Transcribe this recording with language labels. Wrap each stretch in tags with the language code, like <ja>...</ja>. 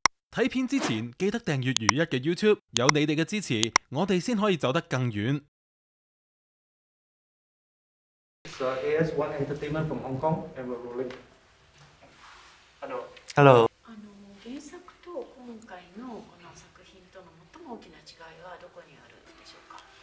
<yue>睇片之前记得订阅如一嘅 YouTube， 有你哋嘅支持，我哋先可以走得更远。</yue> <en>AS One Entertainment from Hong Kong, and we're rolling. Hello. Hello.</en> <ja>原作と今回のこの作品との最も大きな違いはどこにあるんでしょうか。</ja>